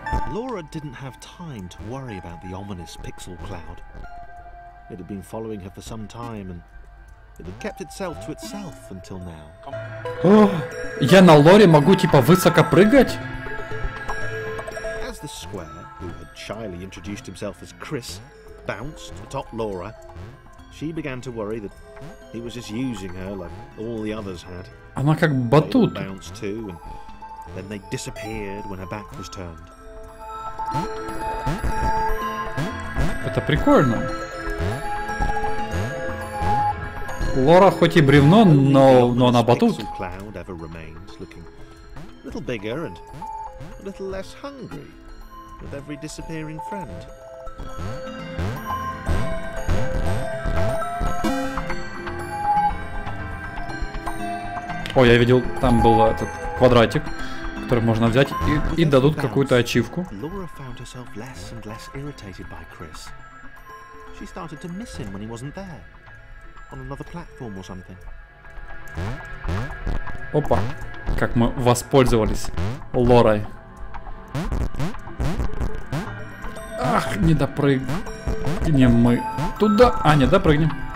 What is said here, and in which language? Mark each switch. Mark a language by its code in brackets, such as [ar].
[en] Laura didn't have time to worry about the ominous pixel cloud. It had been following her for some time, and it had kept itself to itself until now. [ru] Я на Лоре могу типа высоко прыгать? [en] As the square, who had shyly introduced himself as Chris, bounced atop Laura, she began to worry that he was just using her like all the others had. [ru] Она как батут. [en] They bounced too, and then they disappeared when her back was turned. [ru] Это прикольно. Лора хоть и бревно, но она батут. [en] Pixel cloud ever remains, looking a little bigger and a little less hungry with every disappearing friend. [ru] О, я видел, там был этот квадратик, который можно взять и дадут какую-то ачивку. [en] Laura found herself less and less irritated by Chris. She started to miss him when he wasn't there. On another platform or something. [ru] Опа, как мы воспользовались Лорой. Ах, не допрыгнем мы туда. А, не допрыгнем.